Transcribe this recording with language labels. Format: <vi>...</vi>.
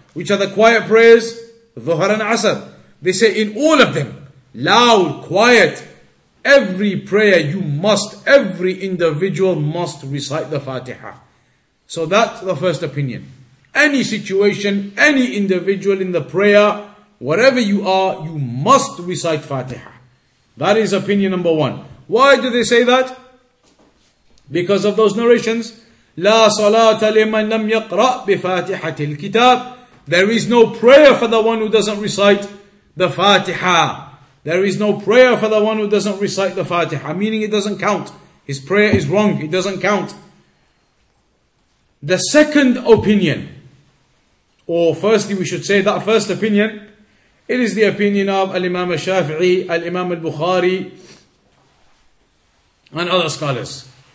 <en>Which are the quiet prayers? Dhuhr and Asr. They say in all of them, loud, quiet, every prayer you must, every individual must recite the Fatiha. So that's the first opinion. Any situation, any individual in the prayer, wherever you are, you must recite Fatiha. That is opinion number one. Why do they say that? Because of those narrations.</en> <ar>لا صلاة لمن لم يقرأ بفاتحة الكتاب.</ar> <en>There is no prayer for the one who doesn't recite the Fatiha. There is no prayer for the one who doesn't recite the Fatiha, meaning it doesn't count. His prayer is wrong, it doesn't count. The second opinion, or firstly we should say that first opinion, it is the opinion of Al-Imam Al-Shafi'i, Al-Imam Al-Bukhari, and other scholars.</en>